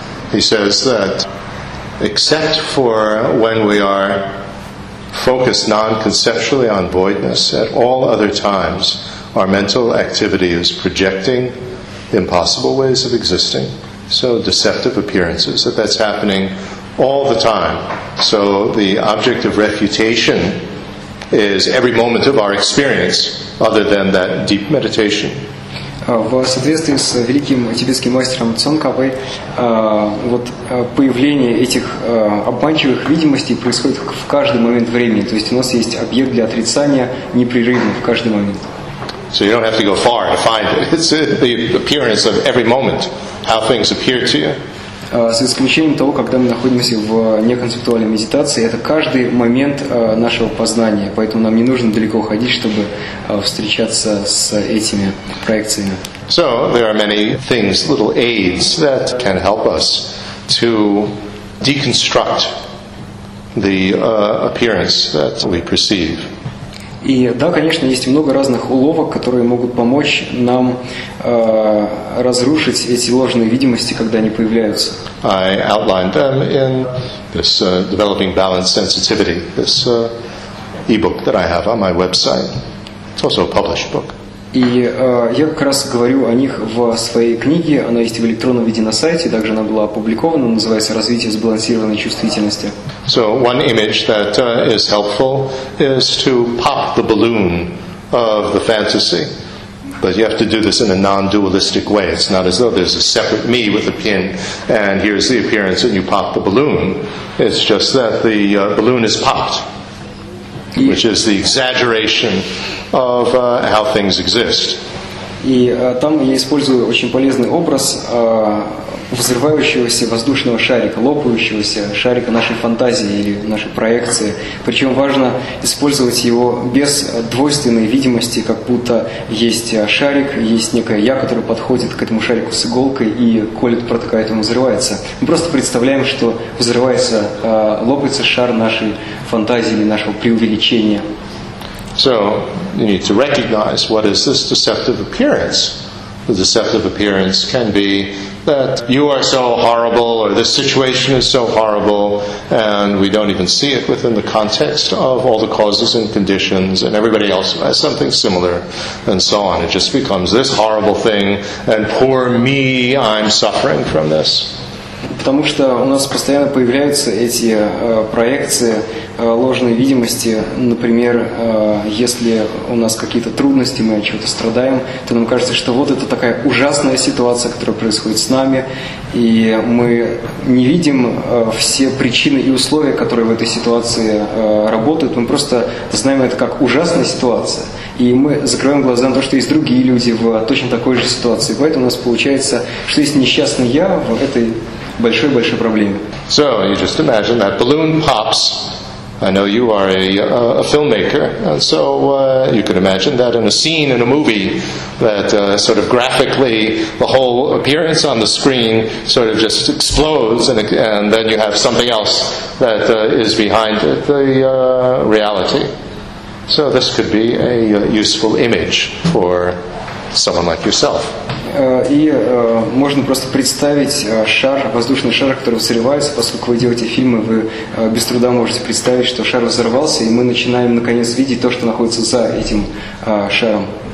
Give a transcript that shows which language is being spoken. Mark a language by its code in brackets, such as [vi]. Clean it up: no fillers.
[en] He says that except for when we are focused non-conceptually on voidness, at all other times our mental activity is projecting impossible ways of existing, so deceptive appearances, that's happening all the time. So the object of refutation is every moment of our experience other than that deep meditation. [ru] В соответствии с великим тибетским мастером Цонкавой, вот появление этих обманчивых видимостей происходит в каждый момент времени. То есть у нас есть объект для отрицания непрерывно в каждый момент. [en] So you don't have to go far to find it. It's the appearance of every moment, how things appear to you. [ru] С исключением того, когда мы находимся в неконцептуальной медитации, это каждый момент нашего познания, поэтому нам не нужно далеко ходить, чтобы встречаться с этими проекциями. [en] So there are many things, little aids that can help us to deconstruct the appearance that we perceive. [ru] И да, конечно, есть много разных уловок, которые могут помочь нам разрушить эти ложные видимости, когда они появляются. [en] I outlined them in this Developing Balanced Sensitivity, this e-book that I have on my website. It's also a published book. [ru] И я как раз говорю о них в своей книге. Она есть в электронном виде на сайте, также она была опубликована, называется «Развитие сбалансированной чувствительности». [en] So one image that is helpful is to pop the balloon of the fantasy. But you have to do this in a non-dualistic way. It's not as though there's a separate me with a pin and here's the appearance and you pop the balloon. It's just that the balloon is popped. Which is the exaggeration of how things exist. [ru] И там я использую очень полезный образ взрывающегося воздушного шарика, лопающегося шарика нашей фантазии или нашей проекции. Причем важно использовать его без двойственной видимости, как будто есть шарик, есть некая я, которая подходит к этому шарику с иголкой и колет, протыкает, он взрывается. Мы просто представляем, что взрывается, лопается шар нашей фантазии или нашего преувеличения. [en] So you need to recognize what is this deceptive appearance. The deceptive appearance can be that you are so horrible or this situation is so horrible and we don't even see it within the context of all the causes and conditions and everybody else has something similar and so on. It just becomes this horrible thing and poor me, I'm suffering from this. [ru] Потому что у нас постоянно появляются эти проекции ложной видимости. Например, если у нас какие-то трудности, мы от чего-то страдаем, то нам кажется, что вот это такая ужасная ситуация, которая происходит с нами, и мы не видим все причины и условия, которые в этой ситуации работают. Мы просто знаем это как ужасная ситуация. И мы закрываем глаза на то, что есть другие люди в точно такой же ситуации. Поэтому у нас получается, что есть несчастный я в этой большой-большой проблеме. [en] So, you just imagine that balloon pops. I know you are a filmmaker, and so you could imagine that in a scene in a movie that sort of graphically the whole appearance on the screen sort of just explodes and then you have something else that is behind it, the reality. So this could be a useful image for someone like yourself. [ru] И можно просто представить шар, воздушный шар, который взрывается. Поскольку вы делаете фильмы, вы без труда можете представить, что шар взорвался, и мы начинаем наконец видеть то, что находится за этим шаром.